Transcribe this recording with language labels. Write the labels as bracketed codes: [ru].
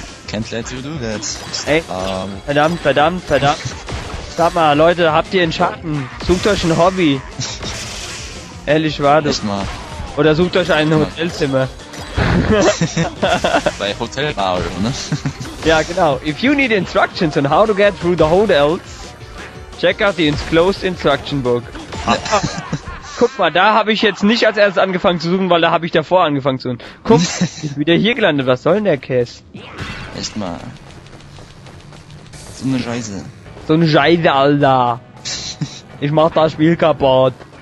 [en] Can't let you do that. [de] Ey, verdammt. Sag mal, Leute, habt ihr einen Schatten? Sucht euch ein Hobby. Ehrlich, war das. Mal. Oder sucht euch ein Hotelzimmer. Bei Hotel Mario, ne? Ja, genau. [en] If you need instructions on how to get through the hotels, check out the enclosed instruction book. [de] Guck mal, da habe ich jetzt nicht als erstes angefangen zu suchen, weil da habe ich davor angefangen zu suchen. Guck, ich bin wieder hier gelandet. Was soll denn der Käse? Echt mal. So eine Scheiße. So ein Scheiße, Alter. Ich mach das Spiel kaputt.